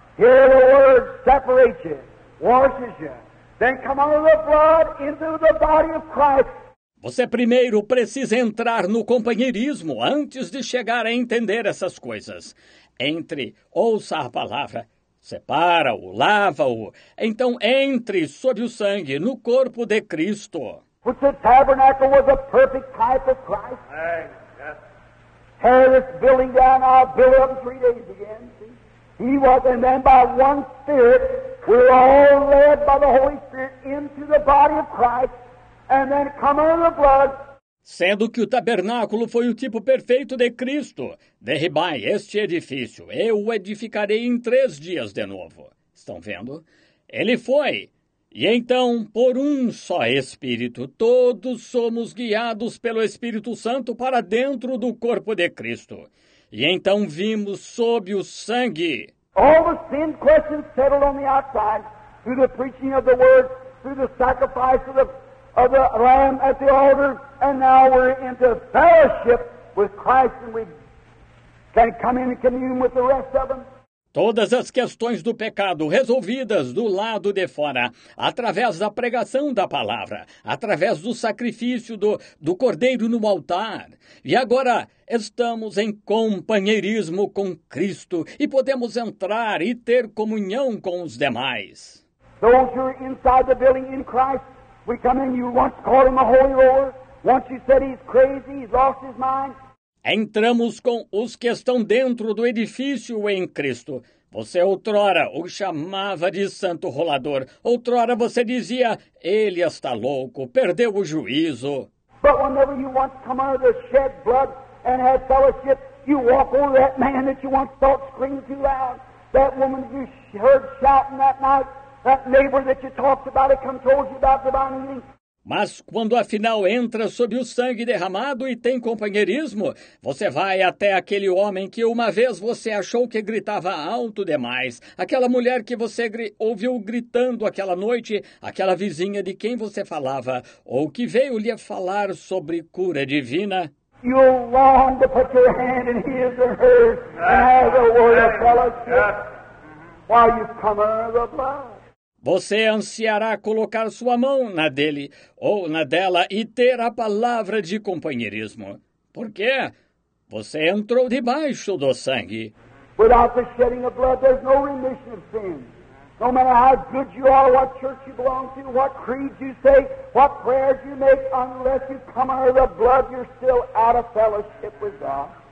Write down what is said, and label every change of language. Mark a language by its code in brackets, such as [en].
[en] Hear the word, separate you, washes you. Then come out of the blood into the body of Christ. [pt] Você primeiro precisa entrar no companheirismo antes de chegar a entender essas coisas. Entre, ouça a palavra, separa-o, lava-o. Então entre sob o sangue, no corpo de Cristo. [en] Which the tabernacle was a perfect type of Christ. Tear this building down, I'll build it up in 3 days again. See? He was, and then by one spirit, we're all led by the Holy Spirit into the body of Christ. And then come out of the blood. [pt] Sendo que o tabernáculo foi o tipo perfeito de Cristo, derribai este edifício, eu o edificarei em 3 dias de novo. Estão vendo? Ele foi. E então, por um só Espírito, todos somos guiados pelo Espírito Santo para dentro do corpo de Cristo. E então vimos sob o sangue. [en] All the sin questions settled on the outside, through the preaching of the word, through the sacrifice of the of the Lamb at the altar, and now we're into fellowship with Christ, and we can come in and commune with the rest of them. [pt] Todas as questões do pecado resolvidas do lado de fora, através da pregação da palavra, através do sacrifício do cordeiro no altar. E agora estamos em companheirismo com Cristo e podemos entrar e ter comunhão com os demais. [en] Those who are inside the building in Christ, we come in, you once called him a holy roller, once you said he's crazy, he's lost his mind. [pt] Entramos com os que estão dentro do edifício em Cristo. Você outrora o chamava de santo rolador. Outrora você dizia, ele está louco, perdeu o juízo. [en] But whenever you once come out of the shed blood and had fellowship, you walk over that man that you once thought screamed too loud. That woman you heard shouting that night. That neighbor that you talked about, it controls you about divine healing. [pt] Mas quando afinal entra sob o sangue derramado e tem companheirismo, você vai até aquele homem que uma vez você achou que gritava alto demais, aquela mulher que você ouviu gritando aquela noite, aquela vizinha de quem você falava, ou que veio lhe falar sobre cura divina. [en] You long to put your hand in his and hers, and have a word of fellowship while you come out of the blood. [pt] Você ansiará colocar sua mão na dele ou na dela e ter a palavra de companheirismo. Por quê? Você entrou debaixo do sangue. [en] Without the shedding of blood, there's no remission of sin. No matter how good you are, what church you belong to, what creed you say, what prayers you make, unless you come out of the blood, you're still out of fellowship with God.